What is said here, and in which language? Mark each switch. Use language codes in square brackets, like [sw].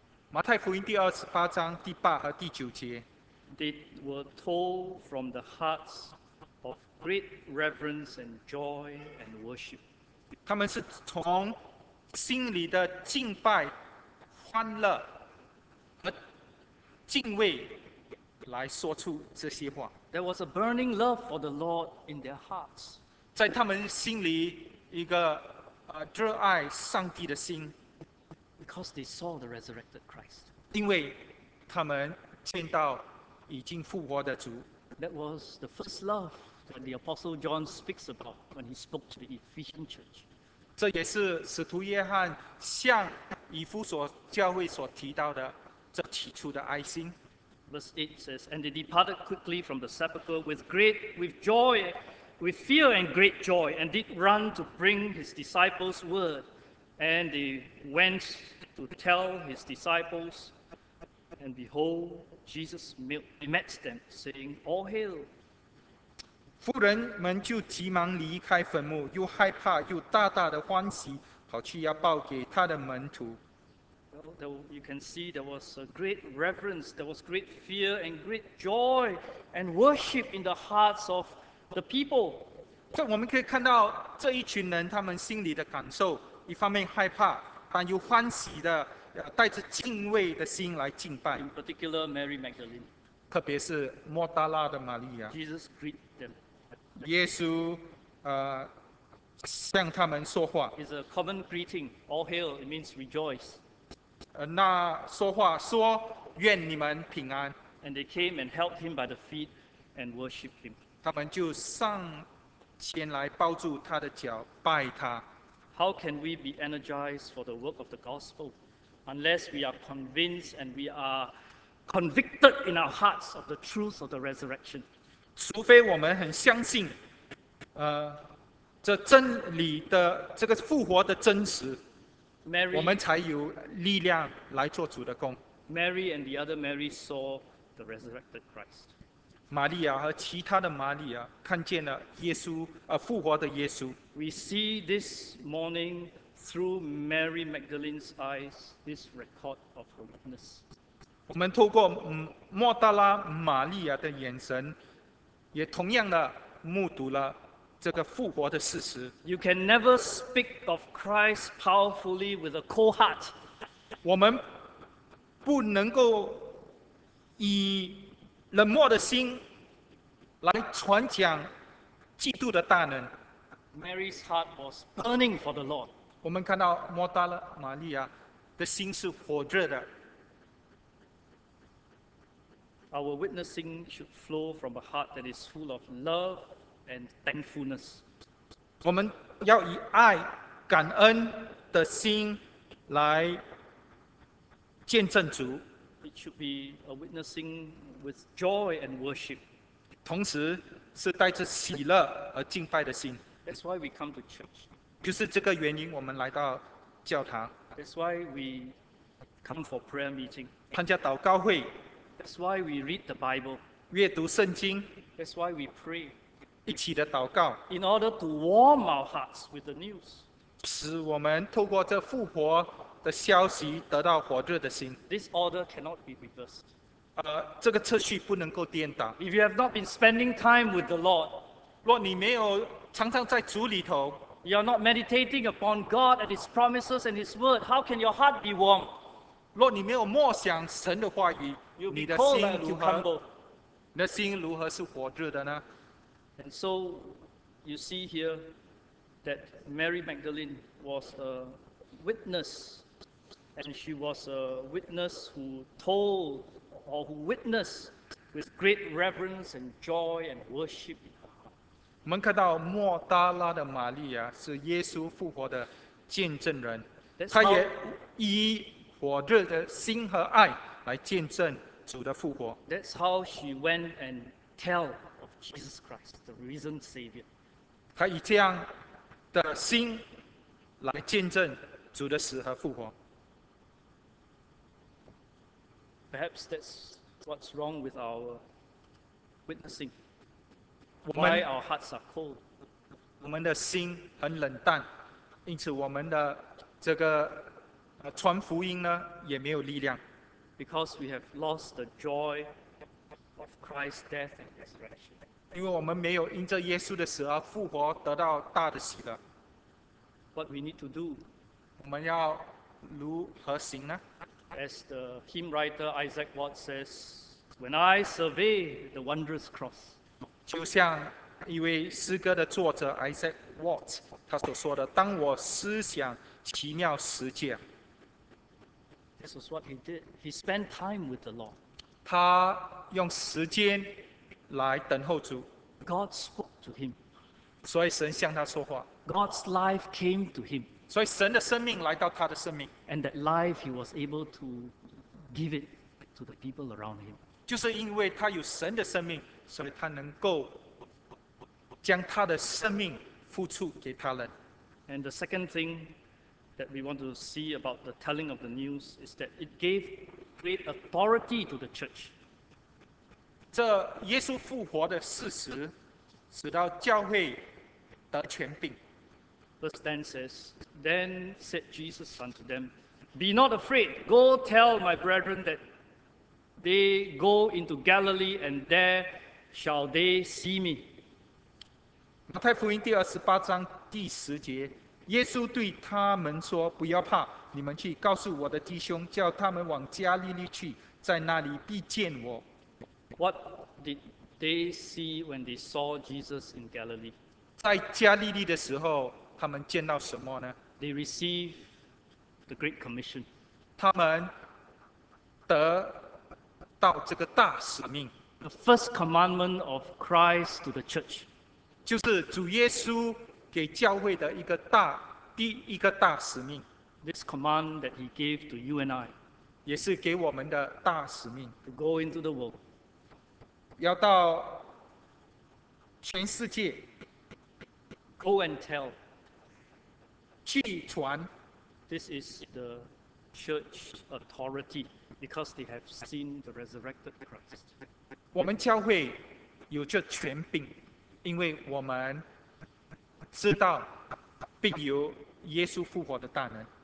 [zh] 马太福音第二十八章第八和第九节。 [en] They were told from the hearts of great reverence and joy and worship. [zh] 他们是从心里的敬拜、欢乐和敬畏来说出这些话。 [en] There was a burning love for the Lord in their hearts. [zh] 在他们心里一个热爱上帝的心。 [en] Because they saw the resurrected Christ. [zh] 因为他们见到已经复活的主。 [en] That was the first love that the Apostle John speaks about when he spoke to the Ephesian church. [zh] 这也是使徒约翰向以弗所教会所提到的这起初的爱心。 [en] Verse 8 says, And they departed quickly from the sepulchre with fear and great joy, and did run to bring his disciples word. And they went to tell his disciples, and behold, Jesus met them, saying, All hail. [zh] 妇人们就急忙离开坟墓，又害怕，又大大的欢喜，跑去要报给他的门徒。 [en] You can see there was a great reverence, there was great fear and great joy and worship in the hearts of the people. [zh] 所以我们可以看到这一群人他们心里的感受，一方面害怕，但又欢喜的，带着敬畏的心来敬拜。 [en] In particular, Mary Magdalene. [zh] 特别是莫大拉的玛利亚。 [en] Jesus greet them. [zh] 耶稣，向他们说话。 [en] It's a common greeting. All hail. It means rejoice. [zh] 那说话说愿你们平安。 [en] And they came and held him by the feet and worshipped him. [zh] 他们就上前来抱住他的脚拜他。 [en] How can we be energized for the work of the gospel unless we are convinced and we are convicted in our hearts of the truth of the resurrection? [zh] 除非我们很相信，这真理的这个复活的真实。 [en] Mary, [zh] 我们才有力量来做主的工。 [en] Mary and the other Mary saw the resurrected Christ. [zh] 玛利亚和其他的玛利亚看见了耶稣，复活的耶稣。 [en] We see this morning through Mary Magdalene's eyes this record of her witness. [zh] 我们透过莫大拉玛利亚的眼神，也同样的目睹了。这个复活的事实。 [en] You can never speak of Christ powerfully with a cold heart. [zh] 我们不能够以冷漠的心来传讲基督的大能。 [en] Mary's heart was burning for the Lord. [zh] 我们看到莫大拉玛利亚的心是火热的。 [en] Our witnessing should flow from a heart that is full of love. And thankfulness. [zh] 我们要以爱、感恩的心来见证主。 [en] It should be a witnessing with joy and worship. [zh] 同时是带着喜乐而敬拜的心。 [en] That's why we come to church. [zh] 就是这个原因，我们来到教堂。 [en] That's why we come for prayer meeting. [zh] 参加祷告会。 [en] That's why we read the Bible. [zh] 阅读圣经。 [en] That's why we pray. [zh] 一起的祷告 [en] ，in order to warm our hearts with the news， [zh] 使我们透过这复活的消息得到火热的心。 [en] This order cannot be reversed。 [zh] 这个次序不能够颠倒。 [en] If you have not been spending time with the Lord， [zh] 若你没有常常在主里头 [en] ，you are not meditating upon God and His promises and His word， how can your heart be warm？ [zh] 若你没有默想神的话语，你的心如何？你的心如何是火热的呢？ [en] And so, you see here that Mary Magdalene was a witness, and she was a witness who told or who witnessed with great reverence and joy and worship. [zh] 我们看到莫大拉的玛利亚是耶稣复活的见证人，她也以火热的心和爱来见证主的复活。 [en] That's how she went and tell. Jesus Christ, the risen Savior. [zh] 他以这样的心来见证主的死和复活。 [en] Perhaps that's what's wrong with our witnessing. Why our hearts are cold. [zh] 我们的心很冷淡，因此我们的这个传福音呢也没有力量。 [en] Because we have lost the joy of Christ's death and resurrection. [zh] 因为我们没有因着耶稣的死而复活得到大的喜乐。 [en] What we need to do? [zh] 我们要如何行呢？ [en] As the hymn writer Isaac Watts says, when I survey the wondrous cross. [zh] 就像一位诗歌的作者 Isaac Watts 他所说的，当我思想奇妙十字架。 [en] This was what he did. He spent time with the Lord. [zh] 他用时间来等候主。 [en] God spoke to him. [zh] 所以神向他说话。 [en] God's life came to him. [zh] 所以神的生命来到他的生命。 [en] And that life he was able to give it to the people around him. [zh] 就是因为他有神的生命，所以他能够将他的生命付出给他人。 [en] And the second thing that we want to see about the telling of the news is that it gave great authority to the church. [zh] 这耶稣复活的事实使到教会得权柄。 [en] Verse 10 says, Then said Jesus unto them, Be not afraid, go tell my brethren that they go into Galilee, and there shall they see me. [zh] 马太福音第二十八章第十节，耶稣对他们说，不要怕，你们去告诉我的弟兄，叫他们往加利利去，在那里必见我。 [en] What did they see when they saw Jesus in Galilee? [zh] 在加利利的时候他们见到什么呢？ [en] They received the Great Commission. [zh] 他们得到这个大使命。 [en] The first commandment of Christ to the church. [zh] 就是主耶稣给教会的一个大第一个大使命。 [en] This command that he gave to you and I. [zh] 也是给我们的大使命。 [en] To go into the world. [zh] 要到全世界。 [en] Go and tell. [zh] 去传。 [en] This is the church authority because they have seen the resurrected Christ. [zh] 我们教会有这权柄，因为我们知道并有耶稣复活的大能。